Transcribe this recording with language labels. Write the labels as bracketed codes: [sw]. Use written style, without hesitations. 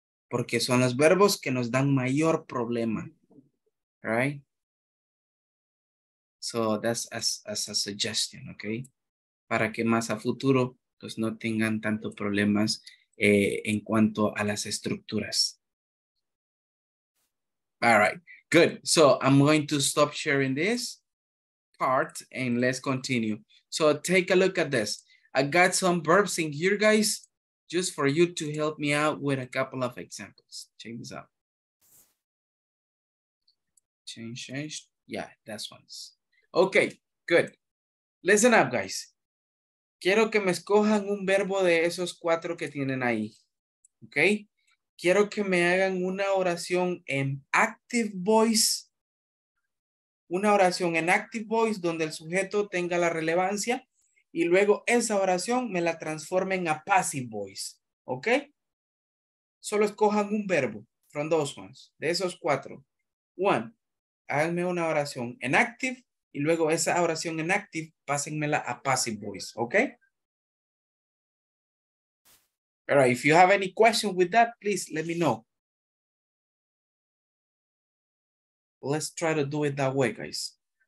[es] Porque son los verbos que nos dan mayor problema. [en] All right? So that's as a suggestion, okay? [es] Para que más a futuro pues no tengan tanto problemas en cuanto a las estructuras. [en] All right, good. So I'm going to stop sharing this part and let's continue. So take a look at this. I got some verbs in here, guys, just for you to help me out with a couple of examples. Check this out. Change. Yeah, that's one. Okay, good. Listen up, guys. [es] Quiero que me escojan un verbo de esos cuatro que tienen ahí. ¿Ok? Quiero que me hagan una oración en active voice. Una oración en active voice donde el sujeto tenga la relevancia. Y luego esa oración me la transforme en a passive voice. ¿Ok? Solo escojan un verbo [en] from those ones. [es] De esos cuatro. [en] One. [es] Háganme una oración en active. Y luego esa oración en active, pásenmela a passive voice, ¿ok? [en] All right, if you have any question with that, please let me know. Let's try to do it that way, guys.